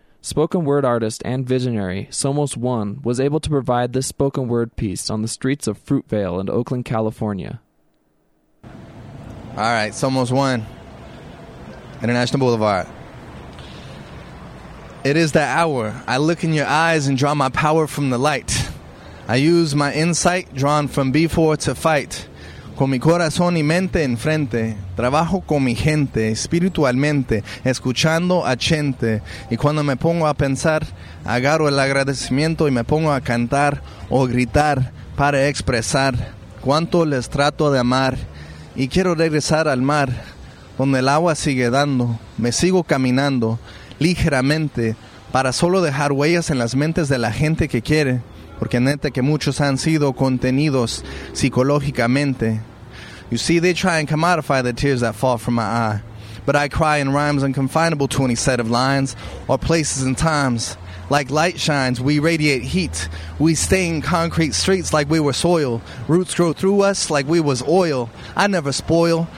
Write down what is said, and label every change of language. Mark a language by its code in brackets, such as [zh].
[en] Spoken word artist and visionary Somos One was able to provide this spoken word piece on the streets of Fruitvale in Oakland, California. All right, Somos One, International Boulevard. It is the hour. I look in your eyes and draw my power from the light. I use my insight drawn from before to fight. [es] Con mi corazón y mente enfrente, trabajo con mi gente espiritualmente, escuchando a gente. Y cuando me pongo a pensar, agarro el agradecimiento y me pongo a cantar o gritar para expresar cuánto les trato de amar. Y quiero regresar al mar, donde el agua sigue dando. Me sigo caminando, ligeramente, para solo dejar huellas en las mentes de la gente que quiere. Porque neta que muchos han sido contenidos psicológicamente. [en] You see, they try and commodify the tears that fall from my eye. But I cry in rhymes unconfinable to any set of lines or places and times. Like light shines, we radiate heat. We stain concrete streets like we were soil. Roots grow through us like we was oil. I never spoil.